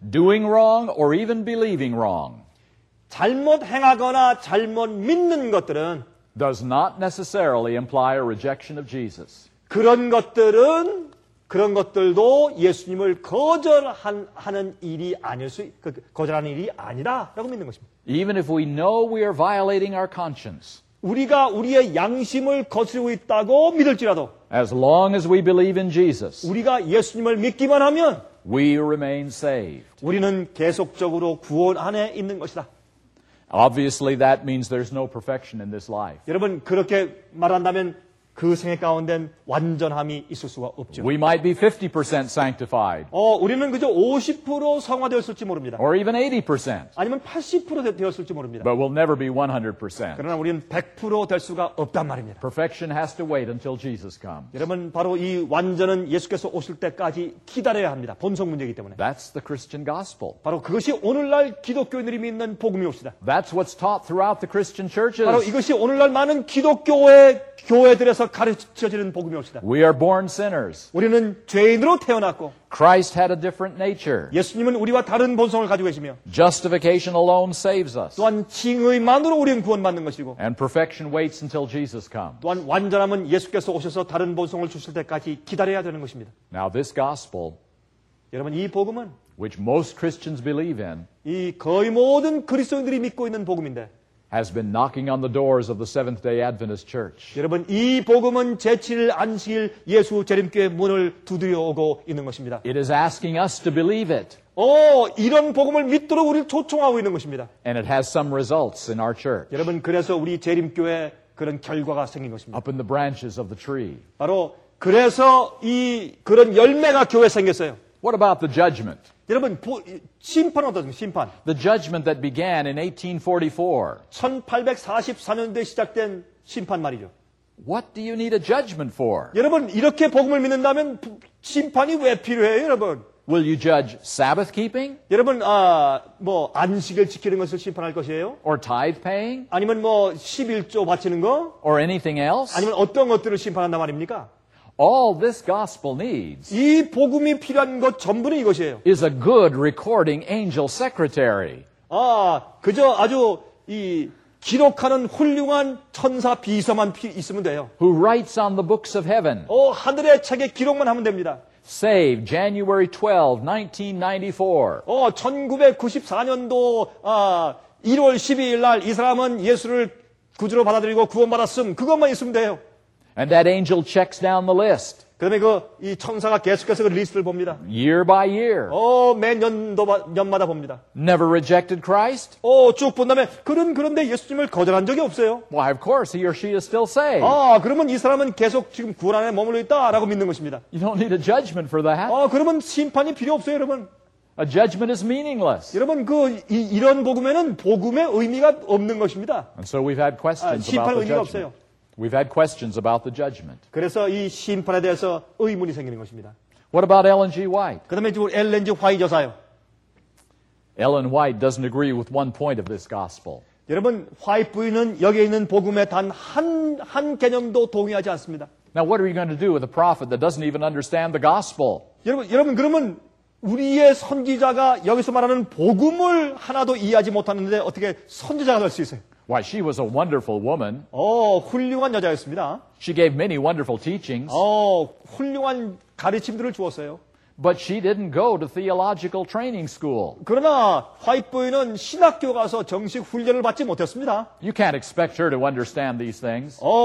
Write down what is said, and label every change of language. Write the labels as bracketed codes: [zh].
[en] Doing wrong or even believing wrong. [ko] 잘못 행하거나 잘못 믿는 것들은 [en] does not necessarily imply a rejection of Jesus. [ko] 그런 것들은 그런 것들도 예수님을 거절하는 일이 아닐 수 거절하는 일이 아니다라고 믿는 것입니다. [en] Even if we know we are violating our conscience. [ko] 우리가 우리의 양심을 거스르고 있다고 믿을지라도 [en] as long as we believe in Jesus. [ko] 우리가 예수님을 믿기만 하면 [en] we remain saved. [ko] 우리는 계속적으로 구원 안에 있는 것이다. [en] Obviously, that means there's no perfection in this life. [ko] 여러분 그렇게 말한다면 그 생애 가운데는 완전함이 있을 수가 없죠. [en] We might be 50% sanctified. [ko] 우리는 그저 50% 성화되었을지 모릅니다. [en] Or even 80%. [ko] 아니면 80% 되었을지 모릅니다. [en] But we'll never be 100%. [ko] 그러나 우리는 100% 될 수가 없단 말입니다. [en] Perfection has to wait until Jesus comes. [ko] 여러분 바로 이 완전은 예수께서 오실 때까지 기다려야 합니다. 본성 문제이기 때문에. [en] That's the Christian gospel. [ko] 바로 그것이 오늘날 기독교인들이 믿는 복음이옵니다. [en] That's what's taught throughout the Christian churches. [ko] 바로 이것이 오늘날 많은 기독교의 교회들에서 가르쳐지는 복음이옵니다. [en] We are born sinners. [ko] 우리는 죄인으로 태어났고 [en] Christ had a different nature. [ko] 예수님은 우리와 다른 본성을 가지고 계시며 [en] Justification alone saves us. [ko] 또한 칭의만으로 우리는 구원받는 것이고 [en] And perfection waits until Jesus comes. [ko] 또한 완전함은 예수께서 오셔서 다른 본성을 주실 때까지 기다려야 되는 것입니다. [en] Now this gospel [ko] 여러분 이 복음은 [en] which most Christians believe in [ko] 이 거의 모든 그리스도인들이 믿고 있는 복음인데 [en] has been knocking on the doors of the Seventh-day Adventist Church. [ko] 여러분, 이 복음은 제7일 안식일 예수 재림교회 문을 두드려 오고 있는 것입니다. [en] It is asking us to believe it. [ko] 이런 복음을 믿도록 우리를 초청하고 있는 것입니다. [en] And it has some results in our church. [ko] 여러분, 그래서 우리 재림교회 그런 결과가 생긴 것입니다. [en] Up in the branches of the tree. [ko] 바로 그래서 이 그런 열매가 교회에 생겼어요. [en] What about the judgment? [ko] 여러분 심판은 어떻습니까? 심판. [en] The judgment that began in 1844. [ko] 1844년도에 시작된 심판 말이죠. [en] What do you need a judgment for? [ko] 여러분 이렇게 복음을 믿는다면 심판이 왜 필요해요, 여러분? [en] Will you judge Sabbath keeping? [ko] 여러분 안식을 지키는 것을 심판할 것이에요? [en] Or tithe paying? [ko] 아니면 뭐 십일조 바치는 거? [en] Or anything else? [ko] 아니면 어떤 것들을 심판한다 말입니까? [en] All this gospel needs [ko] 이 복음이 필요한 것 전부는 이것이에요. [en] Is a good recording angel secretary. [ko] 그저 아주 이 기록하는 훌륭한 천사 비서만 있으면 돼요. [en] Who writes on the books of heaven. [ko] 하늘의 책에 기록만 하면 됩니다. [en] Save January 12, 1994. [ko] 1994년도 1월 12일 날 이 사람은 예수를 구주로 받아들이고 구원받았음. 그것만 있으면 돼요. [en] And that angel checks down the list. [ko] 그다음에 그 이 천사가 계속해서 그 리스트를 봅니다. [en] Year by year. [ko] 매년마다 봅니다. [en] Never rejected Christ. [ko] 쭉 본 다음에 그는 그런데 예수님을 거절한 적이 없어요. [en] Why, of course, he or she is still saved. [ko] 그러면 이 사람은 계속 지금 구원 안에 머물러 있다라고 믿는 것입니다. [en] You don't need a judgment for that. [ko] 그러면 심판이 필요 없어요, 여러분. [en] A judgment is meaningless. [ko] 여러분 이런 복음에는 복음의 의미가 없는 것입니다. [en] And so we've had questions about the judgment. [ko] 심판의 의미가 없어요. [en] We've had questions about the judgment. [ko] 그래서 이 심판에 대해서 의문이 생기는 것입니다. [en] What about Ellen G. White? [ko] 그다음에 또 엘렌 G. 화이트 여사요. [en] Ellen White doesn't agree with one point of this gospel. [ko] 여러분, 화이트 부인은 여기 있는 복음에 단 한 개념도 동의하지 않습니다. [en] Now what are you going to do with a prophet that doesn't even understand the gospel? [ko] 여러분 그러면 우리의 선지자가 여기서 말하는 복음을 하나도 이해하지 못하는데 어떻게 선지자가 될 수 있어요? [en] Why, she was a wonderful woman. [ko] 훌륭한 여자였습니다. [en] She gave many wonderful teachings. [ko] 훌륭한 가르침들을 주었어요. [en] But she didn't go to theological training school. [ko] 그러나 화이트 부인은 신학교 가서 정식 훈련을 받지 못했습니다. [en] You can't expect her to understand these things.